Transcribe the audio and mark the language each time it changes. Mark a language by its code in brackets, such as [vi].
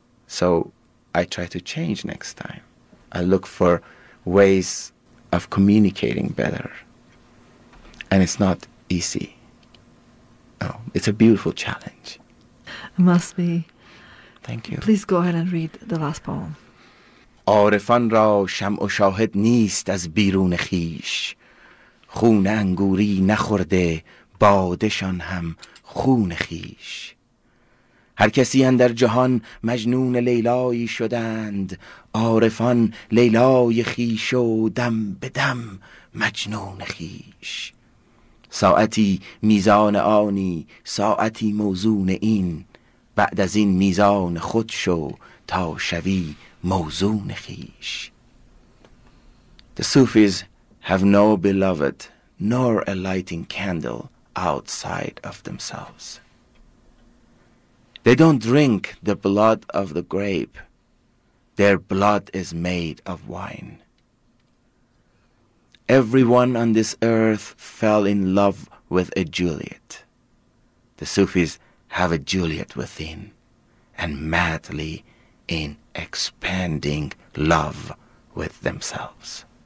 [en] So I try to change next time. I look for ways of communicating better. And it's not easy. Oh, it's a beautiful challenge. It must be. Thank you. Please go ahead and read the last poem. [fa] عارفان را شمع و شاهد نیست از بیرون خیش خون انگوری نخورده بادشان هم خون خیش هر کسی اندر جهان مجنون لیلایی شدند عارفان لیلای خیش و دم به دم مجنون خیش ساعتی میزان آنی ساعتی موزون این بعد از این میزان خود شو تا شوی موزون خیش [en] The Sufis have no beloved nor a lighting candle outside of themselves. They don't drink the blood of the grape. Their blood is made of wine. Everyone on this earth fell in love with a Juliet. The Sufis have a Juliet within and madly in expanding love with themselves.